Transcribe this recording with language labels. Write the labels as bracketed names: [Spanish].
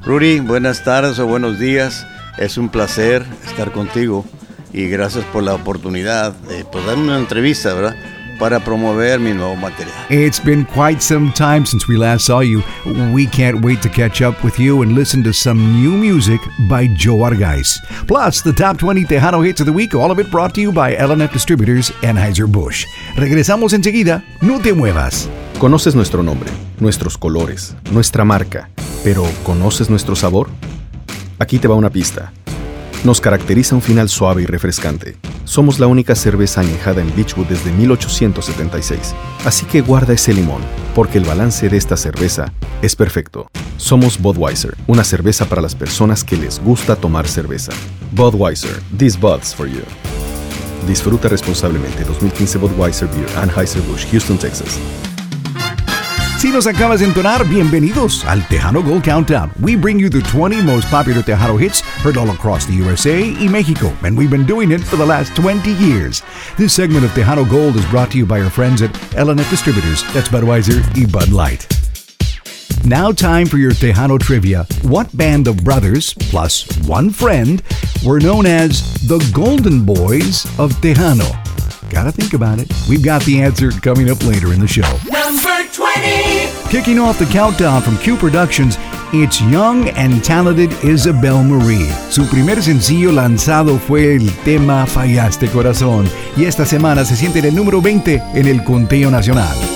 [Spanish] Rudy, buenas tardes o buenos días. Es un placer estar contigo y gracias por la oportunidad de dar una entrevista, ¿verdad? Para promover mi nuevo material. [English] It's been quite some time since we last saw you. We can't wait to catch up with you and listen to some new music by Joe Argaiz. Plus, the top 20 Tejano hits of the week, all of it brought to you by L&F Distributors Anheuser-Busch. [Spanish] Regresamos enseguida. No te muevas. ¿Conoces nuestro nombre, nuestros colores, nuestra marca, pero conoces nuestro sabor? Aquí te va una pista. Nos caracteriza un final suave y refrescante. Somos la única cerveza añejada en Beechwood desde 1876. Así que guarda ese limón, porque el balance de esta cerveza es perfecto. Somos Budweiser, una cerveza para las personas que les gusta tomar cerveza. [English] Budweiser, this Bud's for you. [Spanish] Disfruta responsablemente 2015 Budweiser Beer, Anheuser-Busch, Houston, Texas. Si nos acabas de entonar, bienvenidos al Tejano Gold Countdown. [English] We bring you the 20 most popular Tejano hits heard all across the USA y México, and we've been doing it for the last 20 years. This segment of Tejano Gold is brought to you by our friends at L&F Distributors. That's Budweiser y Bud Light. Now time for your Tejano trivia. What band of brothers, plus one friend, were known as the Golden Boys of Tejano? Gotta think about it. We've got the answer coming up later in the show. Number 20! Kicking off the countdown from Q Productions, it's young and talented Isabel Marie. [Spanish] Su primer sencillo lanzado fue el tema Fallaste Corazón. Y esta semana se siente en el número 20 en el conteo nacional.